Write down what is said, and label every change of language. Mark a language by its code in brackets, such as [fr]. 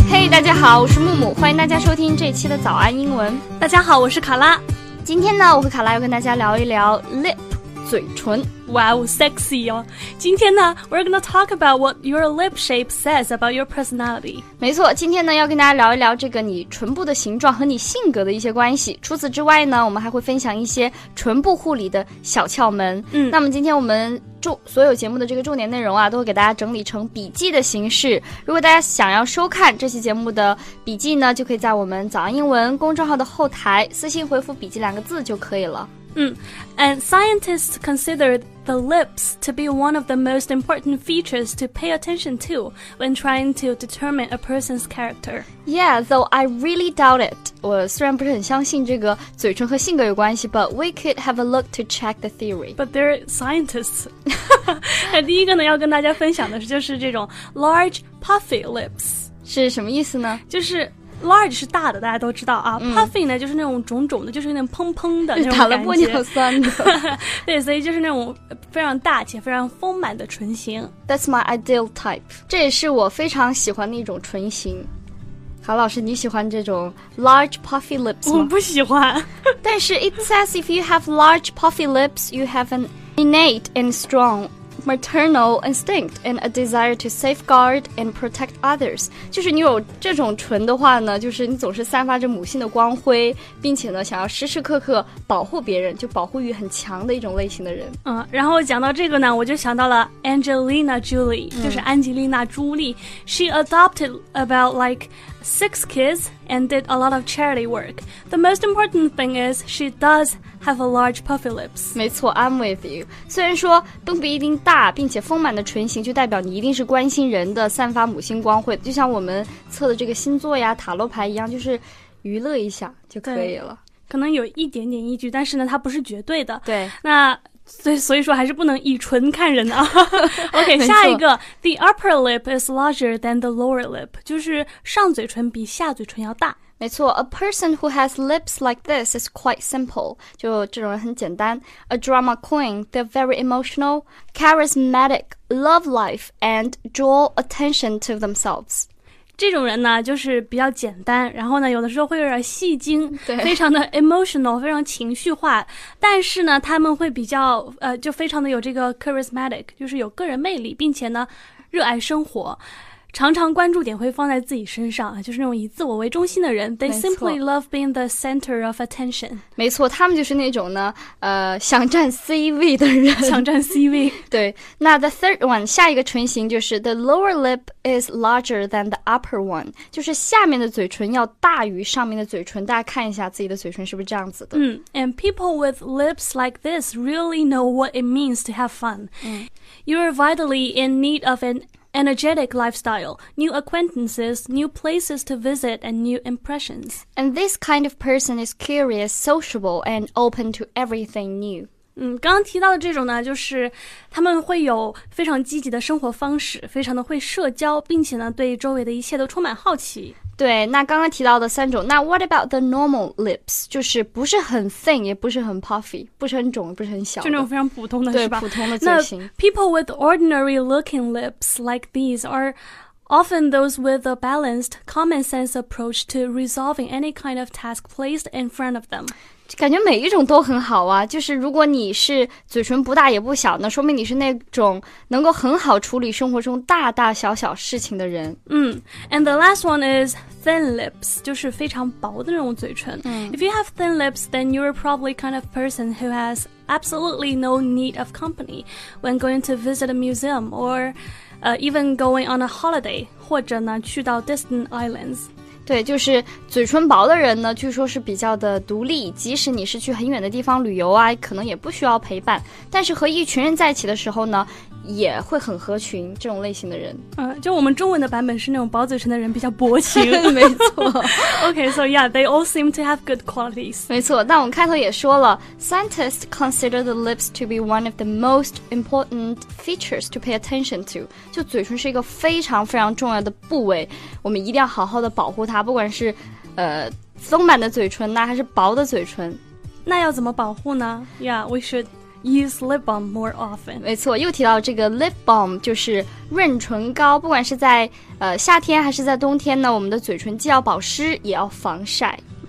[zh] 大家好，我是木木，欢迎大家收听这期的早安英文。大家好，我是卡拉。今天呢，我和卡拉要跟大家聊一聊 lip 嘴唇。 [en] Wow, sexy 哦！ [zh] 今天呢 [en] ，we're gonna talk about what your lip shape says about your personality. [zh] 没错，今天呢要跟大家聊一聊这个你唇部的形状和你性格的一些关系。除此之外呢，我们还会分享一些唇部护理的小窍门。嗯，那么今天我们所有节目的这个重点内容啊，都会给大家整理成笔记的形式。如果大家想要收看这期节目的笔记呢，就可以在我们早安英文公众号的后台私信回复笔记两个字就可以了。 [en] And scientists consider the lips to be one of the most important features to pay attention to when trying to determine a person's character. Yeah, though I really doubt it. [zh] 我虽然不是很相信这个嘴唇和性格有关系 [en] but we could have a look to check the theory. But they're scientists. [zh] 第一个呢要跟大家分享的是就是这种 [en] large puffy lips. [zh] 是什么意思呢？就是Large 是大的，大家都知道啊。Puffy 呢，就是那种肿肿的，就是有点蓬蓬的那种感觉。打了玻尿酸的。对，所以就是那种非常大且非常丰满的唇型。 [en] That's my ideal type. [zh] 这也是我非常喜欢的一种唇型。卡老师，你喜欢这种 [en] large puffy lips [zh] 吗？我不喜欢。但是 [en] it says if you have large puffy lips, you have an innate and strong maternal instinct and a desire to safeguard and protect others. [zh] 就是你有这种唇的话呢，就是你总是散发着母性的光辉，并且呢，想要时时刻刻保护别人，就保护欲很强的一种类型的人。嗯，然后讲到这个呢，我就想到了 Angelina Jolie，就是安吉丽娜·朱莉。 [en] She adopted about like 6 kids and did a lot of charity work. The most important thing is she does. Have a large puffy lips. [zh] 没错 [en] I'm with you. [zh] 虽然说并不一定大并且丰满的唇形就代表你一定是关心人的散发母性光辉就像我们测的这个星座呀塔罗牌一样就是娱乐一下就可以了。可能有一点点依据但是呢它不是绝对的。对。那所以说还是不能以唇看人啊。 [en] OK, [zh] 下一个 [en] The upper lip is larger than the lower lip. [zh] 就是上嘴唇比下嘴唇要大。没错 [en] ,a person who has lips like this is quite simple, [zh] 就这种人很简单。 [en] A drama queen, they're very emotional, charismatic, love life, and draw attention to themselves. [zh] 这种人呢就是比较简单然后呢有的时候会有点戏精对非常的 emotional, 非常情绪化。但是呢他们会比较就非常的有这个 charismatic, 就是有个人魅力并且呢热爱生活。常常关注点会放在自己身上就是那种以自我为中心的人 [en] They simply love being the center of attention [zh] 没错他们就是那种呢想占 C 位的人想占 C 位对那 [en] the third one [zh] 下一个唇形就是 [en] The lower lip is larger than the upper one [zh] 就是下面的嘴唇要大于上面的嘴唇大家看一下自己的嘴唇是不是这样子的、 [en] And people with lips like this really know what it means to have fun、You are vitally in need of anenergetic lifestyle, new acquaintances, new places to visit, and new impressions. And this kind of person is curious, sociable, and open to everything new. [zh] 刚刚提到的这种呢，就是他们会有非常积极的生活方式，非常的会社交，并且呢，对周围的一切都充满好奇。对，那刚刚提到的三种，那 [en] what about the normal lips? [zh] 就是不是很 thin, 也不是很 puffy, 不是很肿，不是很小的，就那种非常普通的，是吧？对，普通的嘴型。那 [en] people with ordinary looking lips like these are often those with a balanced, common sense approach to resolving any kind of task placed in front of them. [zh] 感觉每一种都很好啊，就是如果你是嘴唇不大也不小，那说明你是那种能够很好处理生活中大大小小事情的人。 [en] And the last one is thin lips, [zh] 就是非常薄的那种嘴唇。 [en] If you have thin lips, then you're probably kind of person who has absolutely no need of company when going to visit a museum or... even going on a holiday, [zh] 或者呢去到 [en] distant islands. [zh] 对就是嘴唇薄的人呢据说是比较的独立即使你是去很远的地方旅游啊可能也不需要陪伴但是和一群人在一起的时候呢也会很合群这种类型的人。就我们中文的版本是那种薄嘴唇的人比较薄情。没错。 [en] OK, so yeah, they all seem to have good qualities. [zh] 没错那我们开头也说了 [en] ,scientists consider the lips to be one of the most important features to pay attention to. [zh] 就嘴唇是一个非常非常重要的部位我们一定要好好的保护它不管是丰满的嘴唇呢还是薄的嘴唇。那要怎么保护呢 ? [en] Yeah, we should use lip balm more often. [zh] 没错，又提到这个 lip balm 就是润唇膏，不管是在夏天还是在冬天呢，我们的嘴唇既要保湿也要防晒。